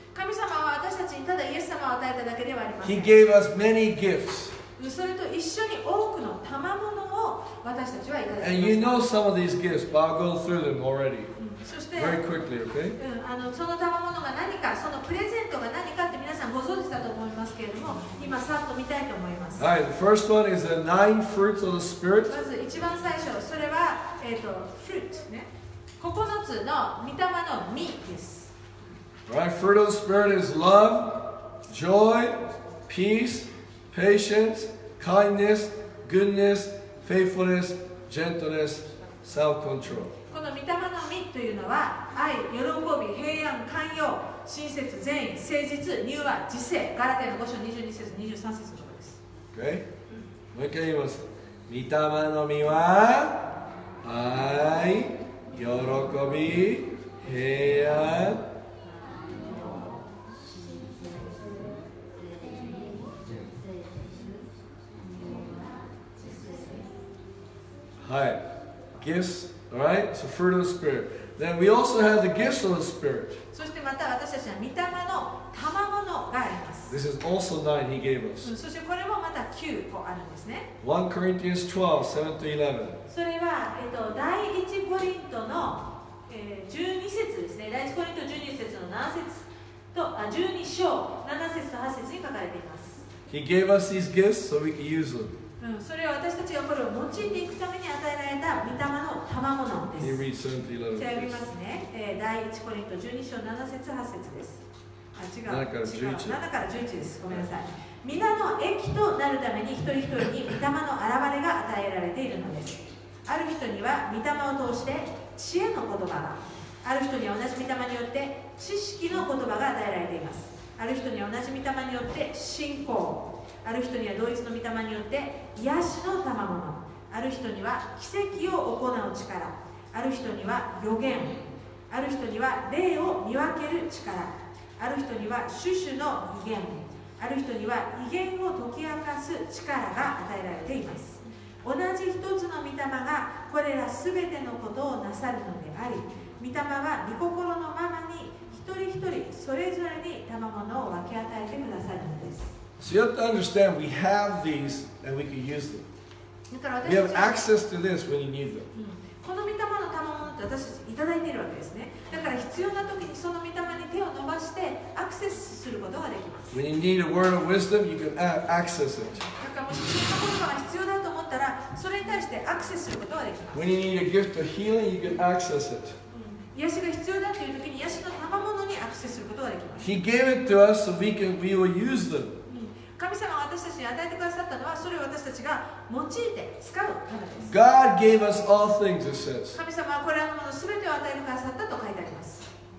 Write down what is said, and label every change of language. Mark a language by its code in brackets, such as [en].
[ja] 神様は私たちにただイエス様を与えただけではありません。 [en] He gave us many gifts. [ja] それと一緒に多くの賜物を私たちはいただきました。 [en] And you know some of these gifts, but I'll go through them already. [ja] そして、 [en] very quickly, okay? [ja] その賜物が何か、そのプレゼントが何かって皆さんご存知だと思いますけれども、今さっと見たいと思います。 [en] All right, the first one is the nine fruits of the Spirit. [ja] まず一番最初、それは、fruit ね。九つの御霊の実です。 [en] Right, fruit of the Spirit is love, joy, peace,Patience, kindness, goodness, faithfulness, gentleness, self-control. [ja] この御霊の実というのは愛、喜び、平安、寛容、親切、善意、誠実、柔和、自制。ガラテの5章22節、23節のところです。 Okay. もう一回言います。御霊の実は愛、喜び、平安、 [en] Alright, gifts, alright, so fruit of the Spirit. Then we also have the gifts of the Spirit. [ja] そしてまた私たちは御霊の賜物があります。 [en] This is also nine he gave us. [ja] そしてこれもまた9個あるんですね。 [en] 1 Corinthians 12, 7 to 11. [ja] それは、第1コリントの、12節ですね。第1コリント12節の7節と、あ、12章、7節と8節に書かれています。 He gave us these gifts so we can use them. うん、それは私たちがこれを用いていくために与えられた御霊の賜物です。じゃあ読みますね。第1コリント12章7節8節です。あ、違う。 7から11です。ごめんなさい。皆の益となるために一人一人に御霊の現れが与えられているのです。ある人には御霊を通して知恵の言葉が、ある人には同じ御霊によって知識の言葉が与えられています。ある人には同じ御霊によって信仰、ある人には同一の御霊によって癒しの賜物、ある人には奇跡を行う力、ある人には予言、ある人には霊を見分ける力、ある人には種々の異言、ある人には異言を解き明かす力が与えられています。同じ一つの御霊がこれらすべてのことをなさるのであり、御霊は御心のままに一人一人それぞれに賜物を分け与えてくださるのです。 [en] So you have to understand we have these and we can use them. We have access to this when you need them. [ja] この御霊の賜物って私たちいただいているわけですね。だから必要な時にその御霊に手を伸ばしてアクセスすることができます。 [en] When you need a word of wisdom, you can access it. [ja] だからもしその言葉が必要だと思ったらそれに対してアクセスすることができます。 [en] When you need a gift of healing, you can access it. [ja] 癒しが必要だという時に癒しの賜物にアクセスすることができます。 [en] He gave it to us so we will use them. [ja] 神様が私たちに与えてくださったのはそれを私たちが用いて使うためです。 [en] God gave us all things, it says. [ja] 神様はこれらのものすべてを与えてくださったと書いてあります。